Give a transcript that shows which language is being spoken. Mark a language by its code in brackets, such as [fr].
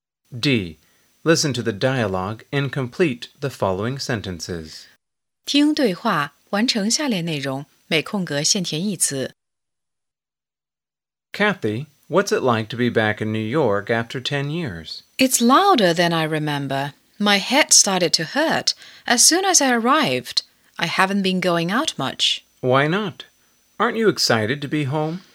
[en] 4. Listen to the dialogue and complete the following sentences. [zh] 听对话，完成下列内容，每空格先填一词。 [en] Kathy,What's it like to be back in New York after 10 years? It's louder than I remember. My head started to hurt as soon as I arrived. I haven't been going out much. Why not? Aren't you excited to be home?